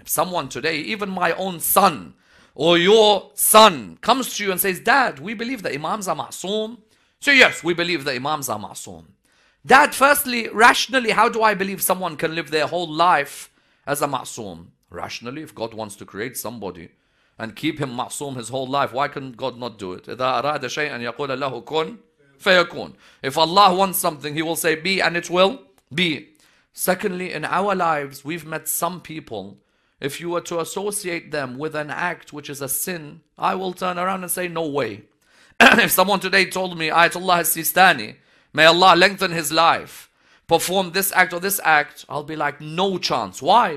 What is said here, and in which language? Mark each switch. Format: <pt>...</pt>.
<en>If someone today, even my own son or your son, comes to you and says, Dad, we believe that Imams are ma'soom. So yes, we believe that Imams are ma'soom. Dad, firstly, rationally, how do I believe someone can live their whole life as a ma'soom? Rationally, if God wants to create somebody and keep him ma'soom his whole life, why can God not do it?</en> <ar>إِذَا أَرَادَ شَيْئًا يَقُولَ لَهُ كُنْ فَيَكُونَ.</ar> <en>If Allah wants something, he will say be and it will be. Secondly, in our lives, we've met some people, if you were to associate them with an act which is a sin, I will turn around and say no way. If someone today told me, Ayatollah Sistani, may Allah lengthen his life, perform this act or this act, I'll be like, no chance. Why?</en>